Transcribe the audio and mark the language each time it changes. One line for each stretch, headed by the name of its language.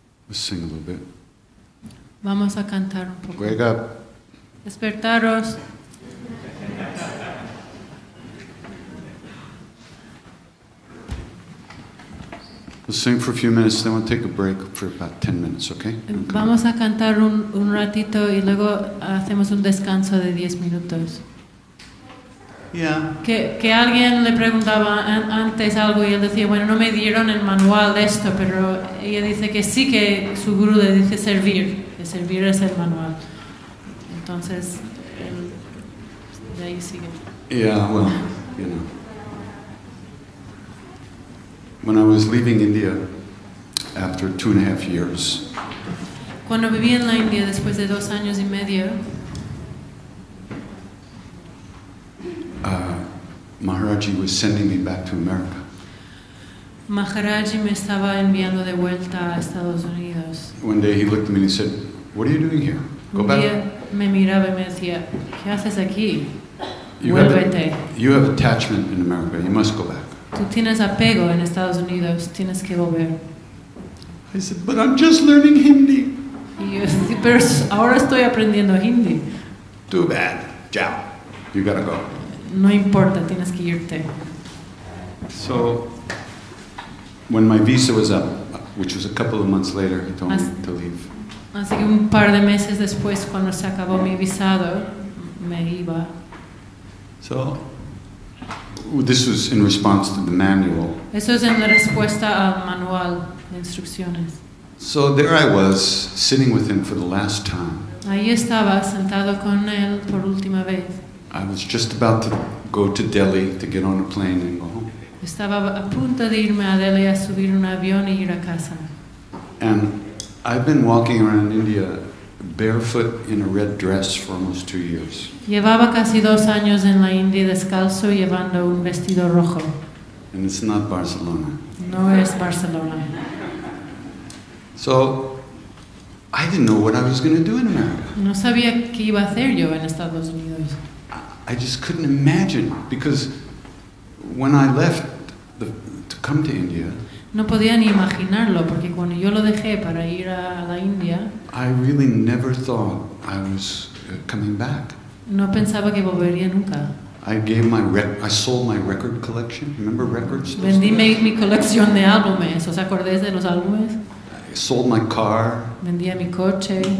English: sing a little bit.
Spanish: Vamos a cantar un poco.
English: Wake up.
Spanish: Despertaros.
English: We'll sing for a few minutes, then we'll take a break for about 10 minutes, okay?
Spanish: Vamos a cantar un ratito y luego hacemos un descanso de 10 minutos.
English: Yeah.
Spanish: Que alguien le preguntaba antes algo y él decía, bueno, no me dieron el manual de esto, pero ella dice que sí, que su gurú le dice servir, que servir es el manual. Entonces, él, de ahí sigue.
English: Yeah, well, you know. When I was leaving India after 2.5 years,
Spanish: cuando viví en la India después de 2 años y medio,
English: Maharajji was sending me back to America.
Spanish: Maharajji me estaba enviando de vuelta a Estados Unidos.
English: One day he looked at me and he said, "What are you doing here? Go back."
Spanish: Me miraba y me decía, "¿Qué haces aquí? Vuélvete."
English: You have attachment in America. You must go back.
Spanish: Tú tienes apego en Estados Unidos, tienes que volver.
English: I said, but I'm just learning Hindi.
Spanish: Pero ahora estoy aprendiendo Hindi.
English: Too bad. Chao. You gotta go.
Spanish: No importa, tienes que irte.
English: So, when my visa was up, which was a couple of months later, he told me to leave.
Spanish: Así que un par de meses después, cuando se acabó mi visado, me iba.
English: So, this was in response to the manual.
Spanish: Eso es en la respuesta al manual de instrucciones.
English: So there I was, sitting with him for the last time.
Spanish: Ahí estaba, sentado con él por última vez.
English: I was just about to go to Delhi to get on a plane and go home.
Spanish: Estaba a punto de irme a Delhi a subir un avión y ir a casa.
English: And I've been walking around India barefoot in a red dress for almost 2 years.
Spanish: Llevaba casi 2 años en la India descalzo llevando un vestido rojo.
English: And it's not Barcelona.
Spanish: No es Barcelona.
English: So, I didn't know what I was going to do in America.
Spanish: No sabía qué iba a hacer yo en Estados Unidos.
English: I just couldn't imagine, because when I left to come to India,
Spanish: no podía ni imaginarlo, porque cuando yo lo dejé para ir a la India,
English: I really never thought I was coming back.
Spanish: No pensaba que volvería nunca.
English: I sold my record collection. Remember records?
Spanish: Vendí mi colección de álbumes. ¿Os acordáis de los álbumes?
English: I sold my car.
Spanish: Vendía mi coche.